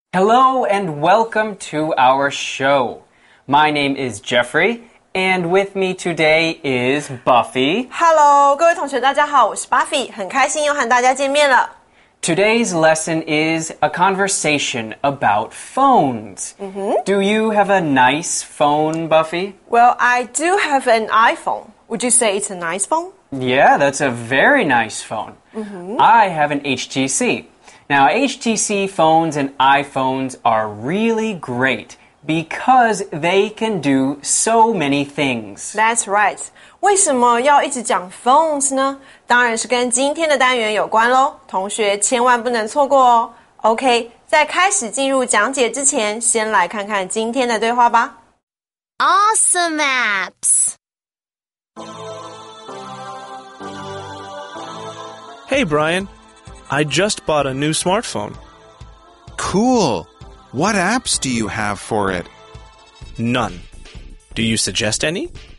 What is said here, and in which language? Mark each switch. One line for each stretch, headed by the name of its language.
English: Hello and welcome to our show. My name is Jeffrey, and with me today is Buffy. Hello,
Chinese: 各位同学大家好，我是 Buffy， 很开心又和大家见面了。
English: Today's lesson is a conversation about phones. Do you have a nice phone, Buffy? Well, I do have an iPhone. Would you say it's a nice phone? Yeah, that's a very nice phone. I have an HTC. Now, HTC phones and iPhones are really great because they can do so many things. That's right.
Chinese: 为什么要一直讲 phones 呢？当然是跟今天的单元有关咯，同学千万不能错过哦。 OK, 在开始进入讲解之前，先来看看今天的对话吧。
English: Awesome apps! Hey, Brian, I just bought a new smartphone. Cool! What apps do you have for it? None. Do you suggest any?